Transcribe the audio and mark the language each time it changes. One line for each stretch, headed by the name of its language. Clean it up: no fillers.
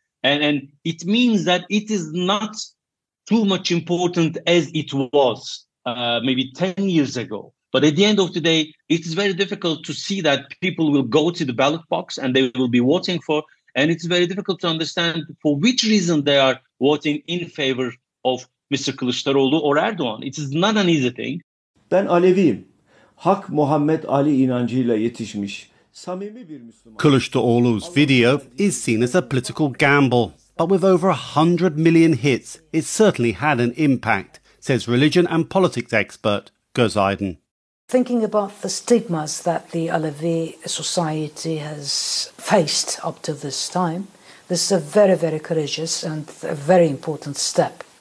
English: And it means that it is not too much important as it was maybe 10 years ago. But at the end of the day, it is very difficult to see that people will go to the ballot box and they will be voting for. And it's very difficult to understand for which reason they are voting in favor of Mr. Kılıçdaroğlu or Erdogan. It is not an easy thing.
Turkish: Ben Aleviyim. Hak Muhammed Ali inancıyla yetişmiş, samimi bir Müslüman.
English: Kılıçdaroğlu's video is seen as a political gamble, but with over 100 million hits, it certainly had an impact, says religion and politics expert Göz Aydın. Thinking about the stigmas that the Alevi society has faced up to this time, this is a very, very courageous and a very important step.